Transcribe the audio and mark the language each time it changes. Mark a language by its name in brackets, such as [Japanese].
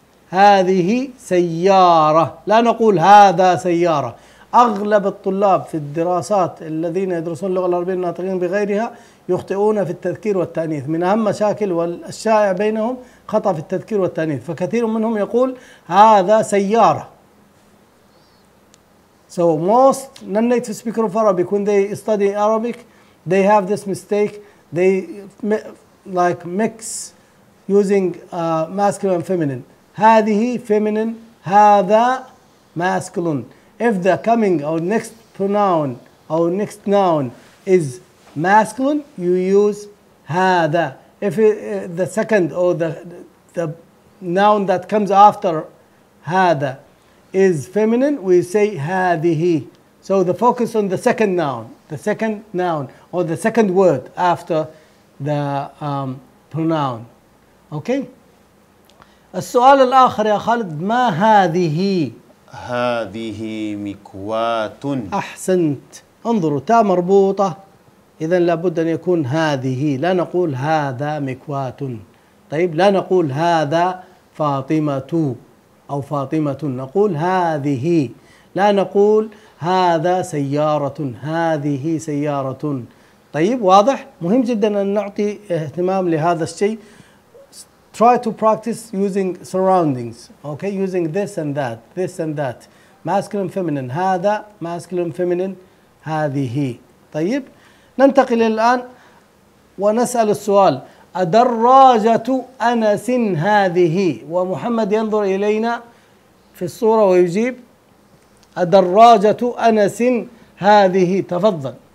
[Arabic] هذه سيارة، لا نقول هذا سيارة. أغلب الطلاب في الدراسات الذين يدرسون اللغة العربية الناطقين بغيرها يخطئون في التذكير والتأنيث. من أهم مشاكل والشائع بينهم خطأ في التذكير والتأنيث، فكثير منهم يقول هذا سيارة. [English] So most non-native speakers of Arabic, when they study Arabic, they have this mistake. They like mix using masculine and feminine. [Arabic] هذه feminine، هذا masculine. [English] If the coming or next pronoun or next noun is masculine, you use هذا. If the second or the noun that comes after هذا is feminine, we say هذه. So the focus on the second noun, or the second word after the pronoun. Okay? [Arabic] السؤال الآخر يا خالد: ما هذه؟ هذه مكواة. أحسنت. انظروا، تاء مربوطة، إذن لابد أن يكون هذه، لا نقول هذا مكواة. طيب لا نقول هذا فاطمة أو فاطمة، نقول هذه. لا نقول هذا سيارة، هذه سيارة. طيب واضح. مهم جدا أن نعطي اهتمام لهذا الشيء. [English] Try to practice using surroundings, okay? Using this and that, this and that. Masculine, feminine. هذا masculine, feminine. [Arabic] هذه. طيب ننتقل الآن ونسأل السؤال: الدراجة أنس هذه؟ ومحمد ينظر إلينا في الصورة ويجيب: الدراجة أنس هذه. تفضل.